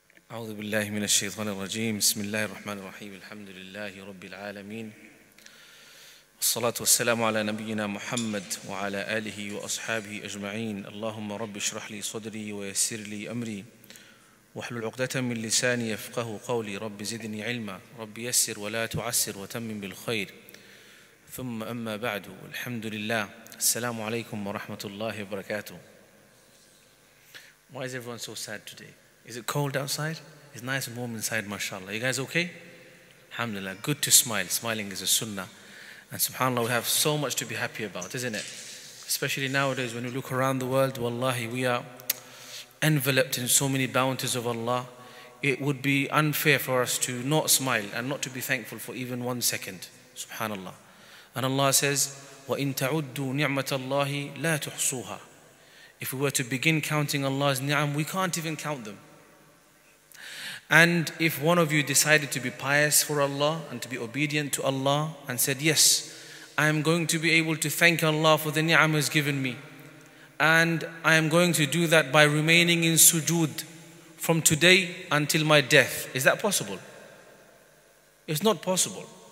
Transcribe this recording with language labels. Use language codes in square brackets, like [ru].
[ar] أعوذ بالله من الشيطان الرجيم بسم الله الرحمن الرحيم الحمد لله رب العالمين الصلاة والسلام على نبينا محمد وعلى آله وأصحابه أجمعين اللهم رب اشرح لي صدري ويسر لي أمري واحلل عقدة من لساني يفقه قولي رب زدني علما رب يسر ولا تعسر وتمم بالخير ثم أما بعد الحمد لله السلام عليكم ورحمة الله وبركاته. [en] Why is everyone so sad today? Is it cold outside? It's nice and warm inside, mashallah. You guys okay? Alhamdulillah, good to smile. Smiling is a sunnah. And subhanAllah, we have so much to be happy about, isn't it? Especially nowadays when we look around the world, wallahi, we are enveloped in so many bounties of Allah. It would be unfair for us to not smile and not to be thankful for even 1 second, subhanAllah. And Allah says, [ar] وَإِن تَعُدُّوا نِعْمَةَ اللَّهِ لَا تُحْصُوهَا. [en] If we were to begin counting Allah's ni'am, we can't even count them. And if one of you decided to be pious for Allah and to be obedient to Allah and said, yes, I am going to be able to thank Allah for the ni'am has given me. And I am going to do that by remaining in sujood from today until my death. Is that possible? It's not possible.